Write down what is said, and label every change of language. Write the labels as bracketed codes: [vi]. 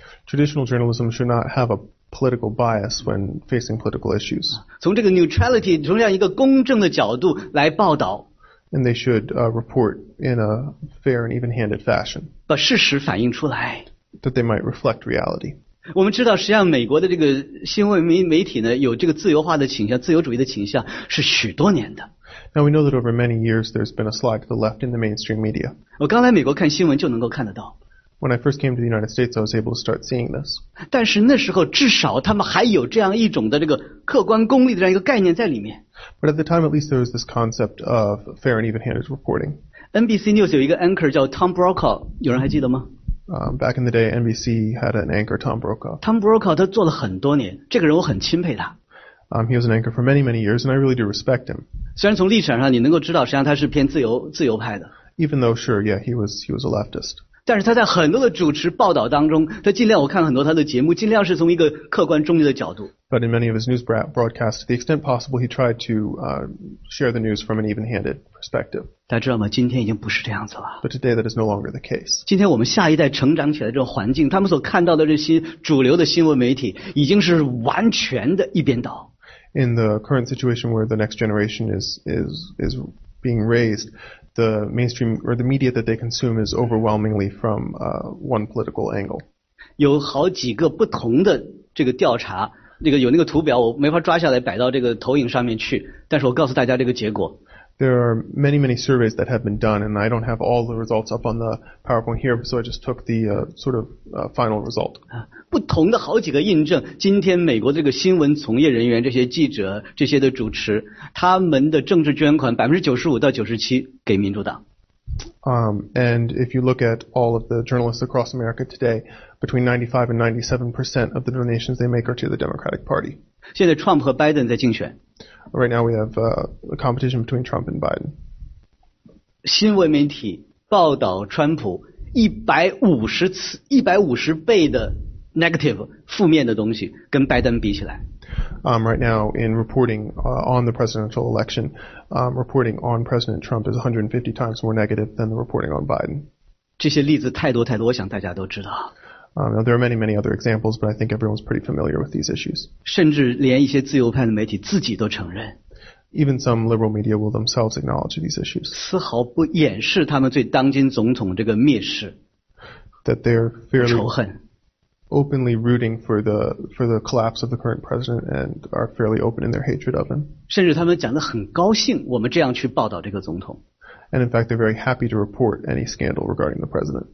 [en] Traditional journalism should not have a political bias when facing political issues. [zh] 从这个 neutrality， 从这样一个公正的角度来报道。 [en] And they should report in a fair and even-handed fashion. [zh] 把事实反映出来。 [en] That they might reflect reality. [zh] 我们知道实际上美国的这个新闻媒体呢有这个自由化的倾向自由主义的倾向是许多年的 [en] Now we know that over many years there's been a slide to the left in the mainstream media [zh] 我刚来美国看新闻就能够看得到 [en] When I first came to the United States I was able to start seeing this [zh] 但是那时候至少他们还有这样一种的这个客观公理的这样一个概念在里面 [en] But at the time at least there was this concept of fair and even-handed reporting [zh] NBC News 有一个 anchor 叫 Tom Brokaw 有人还记得吗 [en] Back in the day, NBC had an anchor, Tom Brokaw. [zh] Tom Brokaw, 他做了很多年，这个人我很钦佩他。 [en] He was an anchor for many, many years, and I really do respect him. [zh] 虽然从历史上你能够知道，实际上他是偏自由派的。 [en] Even though, sure, yeah, he was a leftist. [zh] 但是他在很多的主持报道当中，他尽量我看很多他的节目，尽量是从一个客观中立的角度。 [en] But in many of his news broadcasts, to the extent possible, he tried to share the news from an even-handed perspective. [zh] 大家知道吗？今天已经不是这样子了。 [en] But today that is no longer the case. [zh] 今天我们下一代成长起来的这个环境，他们所看到的这些主流的新闻媒体，已经是完全的一边倒。 [en] In the current situation where the next generation is being raised, the mainstream or the media that they consume is overwhelmingly from one political angle. [zh] 有好几个不同的这个调查那个有那个图表，我没法抓下来摆到这个投影上面去，但是我告诉大家这个结果。 [en] There are many, many surveys that have been done, and I don't have all the results up on the PowerPoint here, so I just took the final result. [zh] 不同的好几个印证，今天美国这个新闻从业人员、这些记者、这些的主持，他们的政治捐款95%-97%给民主党。 [en] And if you look at all of the journalists across America today, between 95% and 97% of the donations they make are to the Democratic Party. [zh] 现在 Trump 和 Biden 在竞选。 [en] Right now we have a competition between Trump and Biden. [zh] 新闻媒体报道川普150倍的 negative 负面的东西跟拜登比起来。 [en] Right now in reporting on the presidential election, reporting on President Trump is 150 times more negative than the reporting on Biden. [zh] 这些例子太多太多，我想大家都知道。 [en] Now, there are many, many other examples, but I think everyone's pretty familiar with these issues. [zh] 甚至连一些自由派的媒体自己都承认。 [en] Even some liberal media will themselves acknowledge these issues. [zh] 丝毫不掩饰他们对当今总统这个蔑视。 [en] That they're fairly [zh] 仇恨。 [en] Openly rooting for the collapse of the current president and are fairly open in their hatred of him. [zh] 甚至他们讲得很高兴，我们这样去报道这个总统。 [en] And in fact, they're very happy to report any scandal regarding the president.